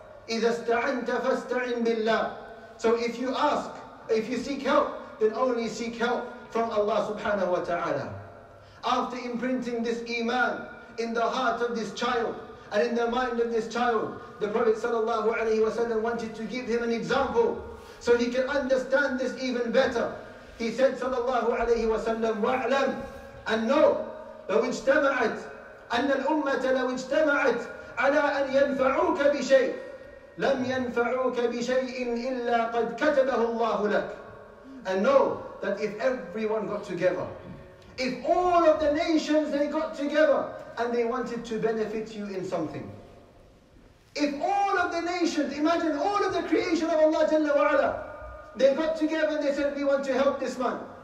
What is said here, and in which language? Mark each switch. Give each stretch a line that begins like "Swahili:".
Arabic: إِذَا اسْتَعَنْتَ فَاسْتَعِنْ بِاللَّهِ.
English: So if you ask, if you seek help, then only seek help from Allah subhanahu wa ta'ala. After imprinting this iman in the heart of this child and in the mind of this child, the Prophet sallallahu alayhi wa sallam wanted to give him an example so he can understand this even better. He said sallallahu alayhi wa sallam, wa'lam, and know,
Arabic: لو اجتمعت أن الأمة لو اجتمعت على أن ينفعوك بشيء لَمْ يَنْفَعُوكَ بِشَيْءٍ إِلَّا قَدْ كَتَبَهُ اللَّهُ لَكَ.
English: And know that if everyone got together, if all of the nations they got together and they wanted to benefit you in something, if all of the nations, imagine all of the creation of Allah Jalla wa'ala, they got together and they said, we want to help this man.